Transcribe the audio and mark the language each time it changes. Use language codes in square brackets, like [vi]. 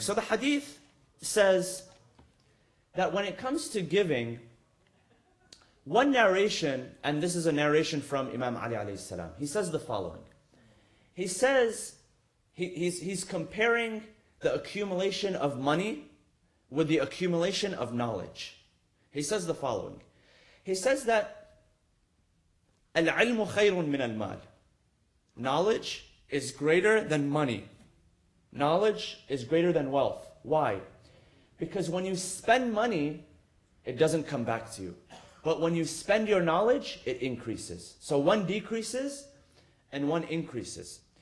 [en] So the hadith says that when it comes to giving, one narration, and this is a narration from Imam Ali alayhi salam, he says the following. He says, he's comparing the accumulation of money with the accumulation of knowledge. He says the following. He says that [ar] العلم خير من المال. [en] Knowledge is greater than money. Knowledge is greater than wealth. Why? Because when you spend money, it doesn't come back to you. But when you spend your knowledge, it increases. So one decreases and one increases.